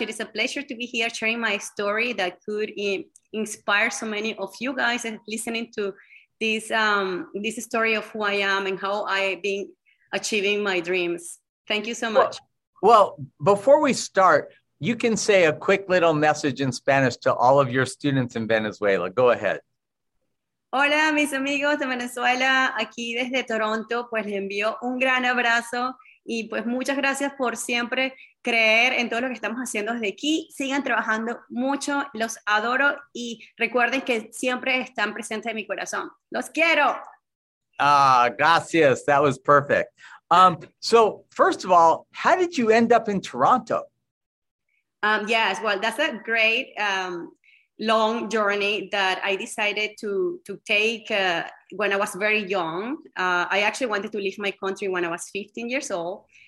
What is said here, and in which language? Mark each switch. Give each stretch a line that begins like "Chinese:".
English: It is a pleasure to be here sharing my story that could inspire so many of you guys and listening to this, this story of who I am and how I've been achieving my dreams. Thank you so much. Well, before we start, you can say a quick little message in Spanish to all of your students in Venezuela. Go ahead.
Spanish: Hola, mis amigos de Venezuela. Aquí desde Toronto, pues les envío un gran abrazo y pues muchas gracias por siempre creer en todo lo que estamos haciendo desde aquí. Sigan trabajando mucho. Los adoro y recuerden que siempre están presentes en mi corazón. Los quiero.
English: Ah, gracias. That was perfect. So first of all, how did you end up in Toronto? Yes, well, that's a great long journey that I decided to take when I was very young. I actually wanted to leave my country when I was 15 years old.